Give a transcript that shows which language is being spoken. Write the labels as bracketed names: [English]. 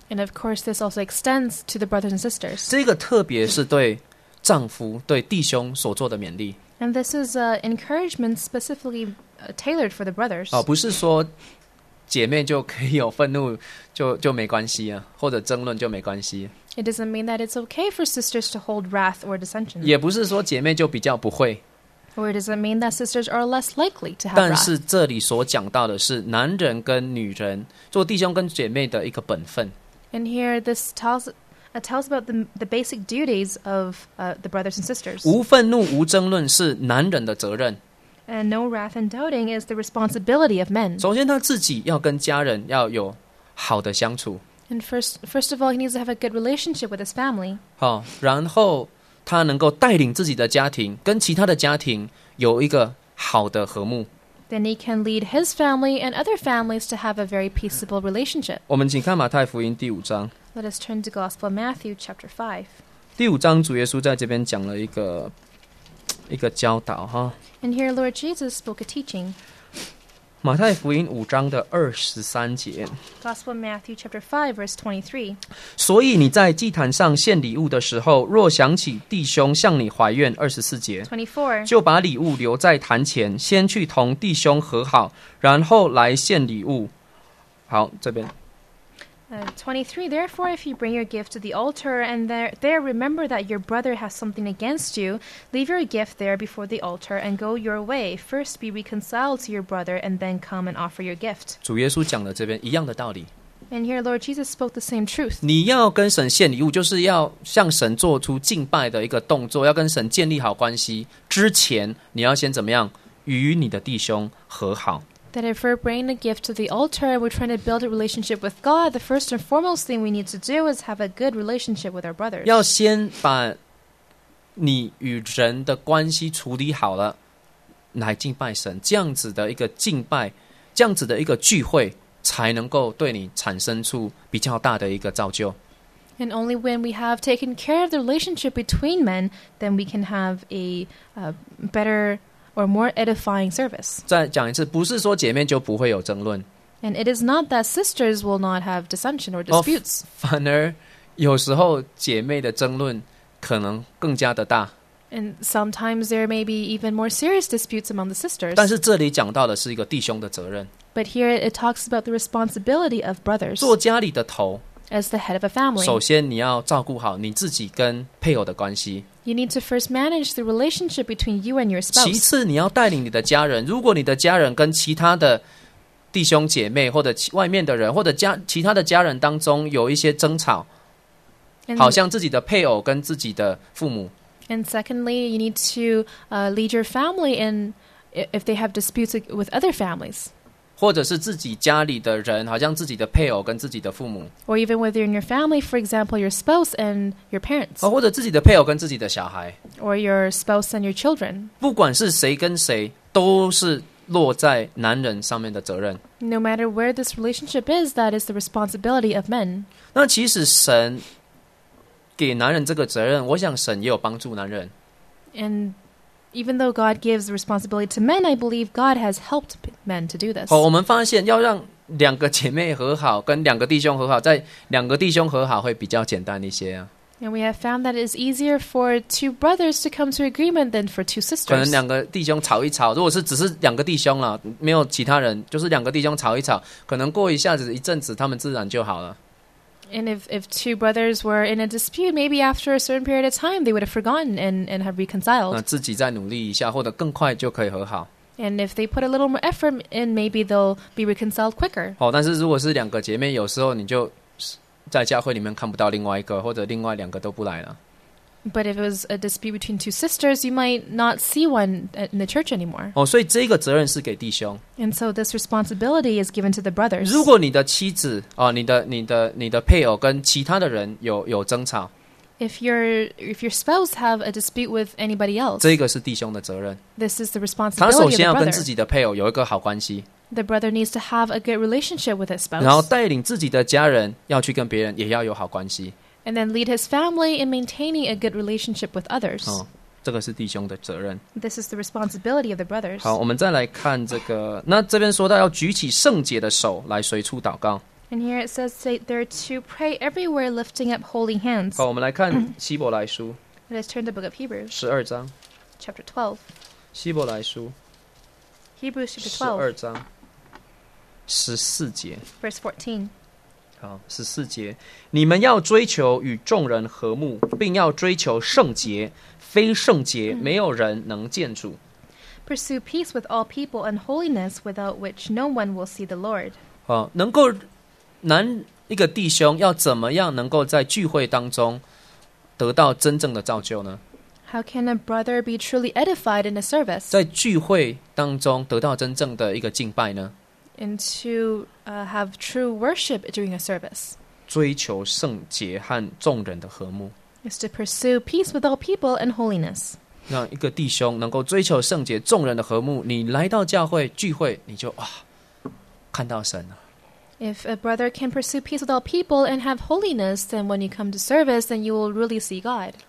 [English] And of course, this also extends to the brothers and sisters. [Chinese] 这个特别是对丈夫、对弟兄所做的勉励。 [English] And this is an encouragement specifically tailored for the brothers. [Chinese] 哦，不是说姐妹就可以有愤怒就没关系啊，或者争论就没关系。 [English] It doesn't mean that it's okay for sisters to hold wrath or dissension. [Chinese] 也不是说姐妹就比较不会。 [English] Or does it mean that sisters are less likely to have? [Chinese] 但是这里所讲到的是男人跟女人做弟兄跟姐妹的一个本分。 [English] And here this tells about the basic duties of the brothers and sisters. [Chinese] 无愤怒无争论是男人的责任。 [English] And no wrath and doubting is the responsibility of men. [Chinese] 首先他自己要跟家人要有好的相处。 [English] And first of all, he needs to have a good relationship with his family. [Chinese] 好，然后。他能够带领自己的家庭跟其他的家庭有一个好的和睦。 [English] Then he can lead his family and other families to have a very peaceable relationship. [Chinese] 我们请看马太福音第五章。 [English] Let us turn to Gospel of Matthew chapter 5. [Chinese] 第五章主耶稣在这边讲了一个教导哈。 [English] And here Lord Jesus spoke a teaching. [Chinese] 马太福音五章的二十三节。 [English] Gospel of Matthew chapter 5 verse 23. [Chinese] 所以你在祭坛上献礼物的时候，若想起弟兄向你怀怨，二十四节。 [English] 24. [Chinese] 就把礼物留在坛前，先去同弟兄和好，然后来献礼物。好，这边。 [English] 23. Therefore, if you bring your gift to the altar, and there remember that your brother has something against you, leave your gift there before the altar and go your way. First, be reconciled to your brother, and then come and offer your gift. [Chinese] 主耶稣讲了这边一样的道理。 [English] And here, Lord Jesus spoke the same truth. [Chinese] 你要跟神献礼物，就是要向神做出敬拜的一个动作，要跟神建立好关系。之前，你要先怎么样？与你的弟兄和好。 [English] That if we're bringing a gift to the altar and we're trying to build a relationship with God, the first and foremost thing we need to do is have a good relationship with our brothers. [Chinese] 要先把你与人的关系处理好了，来敬拜神，这样子的一个敬拜，这样子的一个聚会，才能够对你产生出比较大的一个造就。 [English] And only when we have taken care of the relationship between men, then we can have a better... or more edifying service. [Chinese] 再讲一次，不是说姐妹就不会有争论。 [English] And it is not that sisters will not have dissension or disputes. [Chinese] 反而有时候姐妹的争论可能更加的大。 [English] And sometimes there may be even more serious disputes among the sisters. [Chinese] 但是这里讲到的是一个弟兄的责任。 [English] But here it talks about the responsibility of brothers. [Chinese] 做家里的头。 [English] As the head of a family. [Chinese] 首先你要照顾好你自己跟配偶的关系。 [English] You need to first manage the relationship between you and your spouse. [Chinese] 其次你要带领你的家人，如果你的家人跟其他的弟兄姐妹或者外面的人或者家其他的家人当中有一些争吵，好像自己的配偶跟自己的父母。 [English] And secondly, you need to lead your family in if they have disputes with other families. [Chinese] 或者是自己家里的人，好像自己的配偶跟自己的父母。 [English] Or even whether you're in your family, for example, your spouse and your parents. [Chinese] 或者自己的配偶跟自己的小孩。 [English] Or your spouse and your children. [Chinese] 不管是谁跟谁，都是落在男人上面的责任。 [English] No matter where this relationship is, that is the responsibility of men. [Chinese] 那其实神给男人这个责任，我想神也有帮助男人。 [English] And... Even though God gives responsibility to men, I believe God has helped men to do this. [Chinese] 我们发现要让两个姐妹和好，跟两个弟兄和好，在两个弟兄和好会比较简单一些啊。 [English] And we have found that it is easier for two brothers to come to agreement than for two sisters. [Chinese] 可能两个弟兄吵一吵，如果是只是两个弟兄了，没有其他人，就是两个弟兄吵一吵，可能过一下子一阵子，他们自然就好了。 [English] And if two brothers were in a dispute, maybe after a certain period of time, they would have forgotten and have reconciled. [Chinese] 那自己再努力一下，或者更快就可以和好。 [English] And if they put a little more effort in, maybe they'll be reconciled quicker. [Chinese] 哦，但是如果是两个姐妹，有时候你就在教会里面看不到另外一个，或者另外两个都不来了。 [English] But if it was a dispute between two sisters, you might not see one in the church anymore. [Chinese] 哦，所以这个责任是给弟兄。 [English] And so this responsibility is given to the brothers. [Chinese] 如果你的妻子、你的配偶跟其他的人有争吵， [English] if your spouse have a dispute with anybody else, [Chinese] 这个是弟兄的责任。 [English] This is the responsibility of the brother. [Chinese] 他首先要跟自己的配偶有一个好关系。 [English] The brother needs to have a good relationship with his spouse. [Chinese] 然后带领自己的家人要去跟别人也要有好关系。 [English] And then lead his family in maintaining a good relationship with others. [Chinese] 这个是弟兄的责任。 [English] This is the responsibility of the brothers. [Chinese] 好，我们再来看这个。那这边说到要举起圣洁的手来随处祷告。 [English] And here it says they're to pray everywhere, lifting up holy hands. [Chinese] 好，我们来看希伯来书。 [English] Let's turn the book of Hebrews. [Chinese] 十二章。 [English] Chapter 12. [Chinese] 希伯来书。 [English] Hebrews chapter 12. [Chinese] 十二章。十四节。 [English] Verse 14. [Chinese] 好，十四节，你们要追求与众人和睦，并要追求圣洁，非圣洁没有人能见主。 [English] Pursue peace with all people and holiness, without which no one will see the Lord. [Chinese] 好，能够男一个弟兄要怎么样能够在聚会当中得到真正的造就呢？ [English] How can a brother be truly edified in a service? [Chinese] 在聚会当中得到真正的一个敬拜呢？ [English] And to have true worship during a service. [Chinese] 追求圣洁和众人的和睦。 [English] Is to pursue peace with all people and holiness. [Chinese] 那一个弟兄能够追求圣洁、众人的和睦，你来到教会聚会，你就哇，看到神了。 [English] If a brother can pursue peace with all people and have holiness, then when you come to service, then you will really see God.